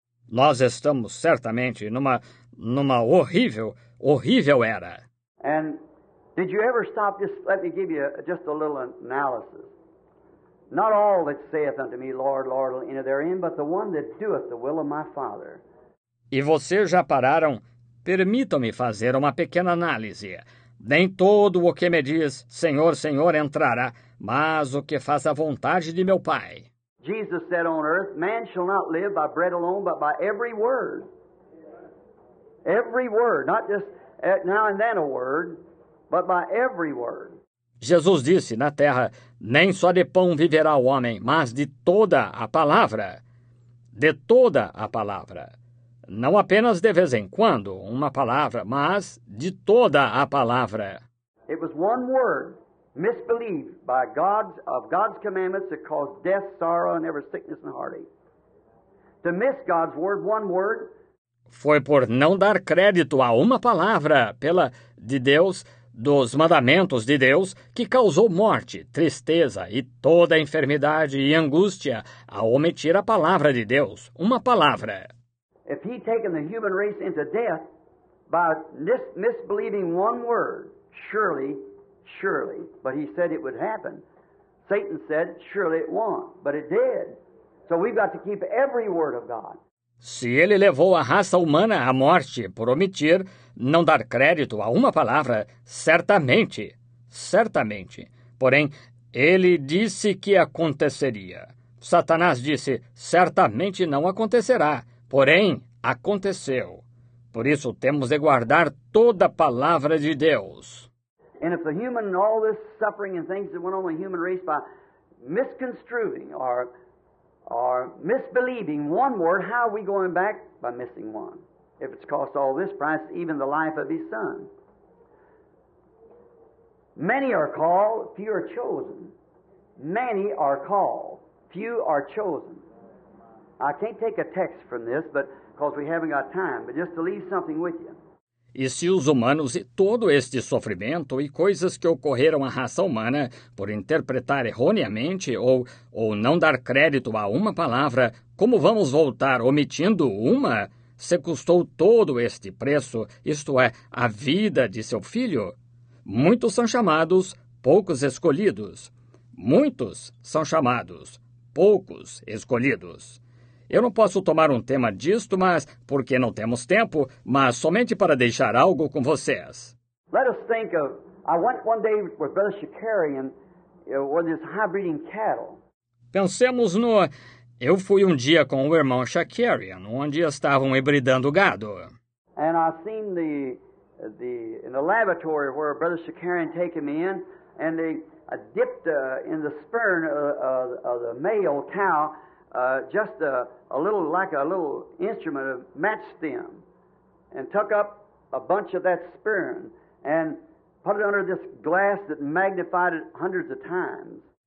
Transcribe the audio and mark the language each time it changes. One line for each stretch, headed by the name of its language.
Portuguese: Nós estamos certamente numa horrível, horrível era.
English: And did you ever stop? Just let me give you just a little analysis. Not all that saith unto me, Lord, Lord, will enter therein, but the one that doeth the will of my Father.
Portuguese: E vocês já pararam? Permitam-me fazer uma pequena análise. Nem todo o que me diz, Senhor, Senhor, entrará, mas o que faz a vontade de meu Pai.
English: Jesus said on earth, man shall not live by bread alone, but by every word. Every word, not just now and then a word, but by every word.
Portuguese: Jesus disse na terra, nem só de pão viverá o homem, mas de toda a palavra. De toda a palavra. Não apenas de vez em quando uma palavra, mas de toda a palavra.
English: It was one word, misbelief, by God's, of God's commandments that caused death, sorrow, and every sickness and heartache. To miss God's word, one word.
Portuguese: Foi por não dar crédito a uma palavra pela de Deus, dos mandamentos de Deus, que causou morte, tristeza e toda a enfermidade e angústia ao omitir a palavra de Deus, uma palavra.
English: If he'd taken the human race into death by misbelieving one word, surely, surely, but he said it would happen. Satan said, surely it won't, but it did. So we've got to keep every word of God.
Portuguese: Se ele levou a raça humana à morte por omitir, não dar crédito a uma palavra, certamente, certamente. Porém, ele disse que aconteceria. Satanás disse, certamente não acontecerá, porém, aconteceu. Por isso, temos de guardar toda a palavra de Deus. E se o humano e todo esse sofrimento e coisas que foram na
English: human race
Portuguese: por misconstruindo ou...
English: or misbelieving one word, how are we going back by missing one? If it's cost all this price, even the life of his son. Many are called, few are chosen. Many are called, few are chosen. I can't take a text from this, but because we haven't got time, but just to leave something with you.
Portuguese: E se os humanos e todo este sofrimento e coisas que ocorreram à raça humana por interpretar erroneamente ou não dar crédito a uma palavra, como vamos voltar omitindo uma? Se custou todo este preço, isto é, a vida de seu filho? Muitos são chamados, poucos escolhidos. Muitos são chamados, poucos escolhidos. Eu não posso tomar um tema disto, mas porque não temos tempo, mas somente para deixar algo com vocês.
English: Let us think of, I went one day with Brother Shikari and were these high-breeding cattle.
Portuguese: Pensemos no... Eu fui um dia com o irmão Shakarian, onde estavam hibridando gado.
English: And I seen in the laboratory where Brother Shakarian taken me in, and they dipped in the sperm of the male cow just a little, like a little instrument of match stem, and took up a bunch of that sperm and put it under this glass that magnified it hundreds of times.